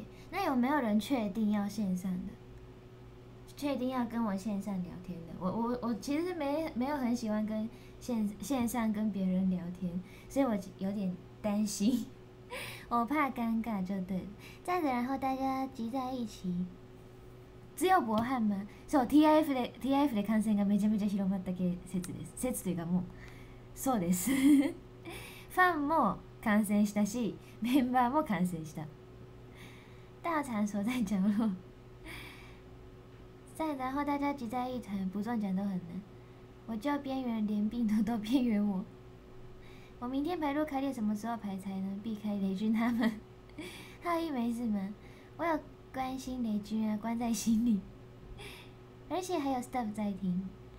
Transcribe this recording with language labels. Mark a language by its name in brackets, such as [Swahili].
[Chinese] 那有没有人确定要线上的？确定要跟我线上聊天的？我其实没有很喜欢跟线上跟别人聊天，所以我有点担心，我怕尴尬就对了。站着，然后大家集在一起。只有博翰吗？ [Japanese] そう、TIF で感染がめちゃめちゃ広まった説です。説というかもう、そうです。ファンも感染したし、メンバーも感染した。 [Chinese] 大場所在角落。再然后大家集在一团，不中奖都很难。我叫边缘，连病毒都边缘我。我明天排入开裂，什么时候排才能避开雷军他们？浩一没事吗？我有。关心雷军啊，关在心里，而且还有 staff 在听。